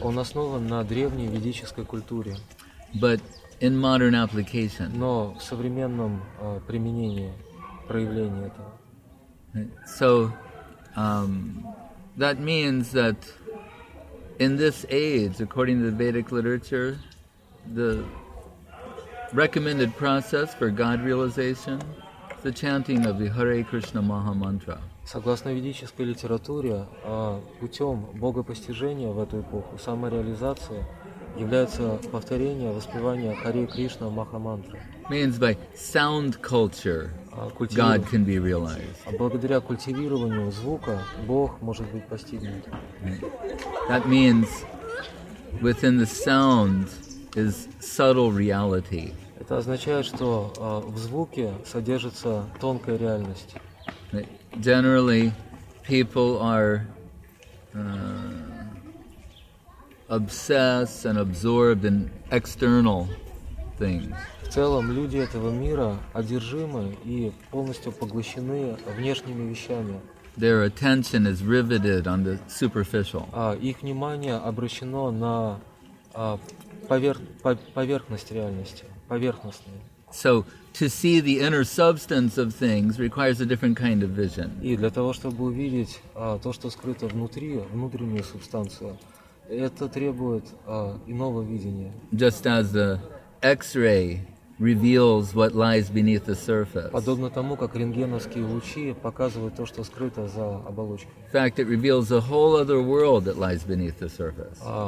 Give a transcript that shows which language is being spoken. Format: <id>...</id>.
<ru>Он основан на древней ведической культуре.</ru> <en>But in modern application.</en> <ru>Но в современном применении, проявлении этого.</ru> <en>So, that means that in this age, according to the Vedic literature, the recommended process for God realization is the chanting of the Hare Krishna Maha Mantra.</en> <ru>Согласно ведической литературе, путем богопостижения в эту эпоху, самореализации, является повторение, воспевание Харе Кришна Маха Мантры.</ru> <en>Means by sound culture, God can be realized.</en> <ru>А благодаря культивированию звука Бог может быть постигнут.</ru> <en>That means within the sound is subtle reality.</en> <ru>Это означает, что в звуке содержится тонкая реальность.</ru> <en>Generally, people are obsessed and absorbed in external things.</en> <ru>В целом, люди этого мира одержимы и полностью поглощены внешними вещами.</ru> <en>Their attention is riveted on the superficial.</en> <ru>Их внимание обращено на поверхность реальности, поверхностные.</ru> <en>So, to see the inner substance of things requires a different kind of vision.</en> <ru>И для того, чтобы увидеть то, что скрыто внутри, внутреннюю субстанцию, это требует иного видения.</ru> <en>Just as the X-ray reveals what lies beneath the surface.</en> <ru>Подобно тому, как рентгеновские лучи показывают то, что скрыто за оболочкой.</ru> <en>In fact, it reveals a whole other world that lies beneath the surface.</en>